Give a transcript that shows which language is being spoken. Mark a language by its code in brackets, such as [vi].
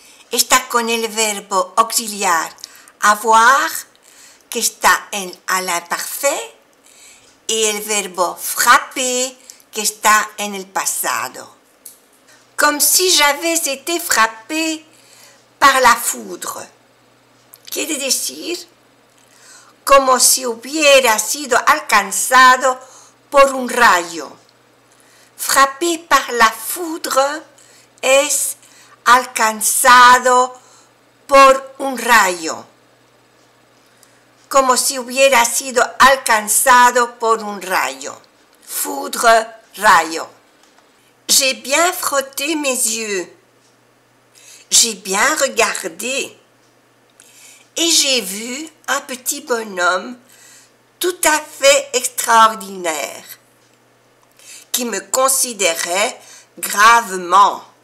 [es] Está con el verbo auxiliar avoir, que está en al imparfait, y el verbo frapper, que está en el pasado. [fr] Comme si j'avais été frappée par la foudre. [es] Quiere decir, como si hubiera sido alcanzado por un rayo. [fr] frappé par la foudre, [es] es alcanzado por un rayo. Como si hubiera sido alcanzado por un rayo. Foudre, rayo. [fr] J'ai bien frotté mes yeux. J'ai bien regardé. Et j'ai vu un petit bonhomme tout à fait extraordinaire qui me considérait gravement.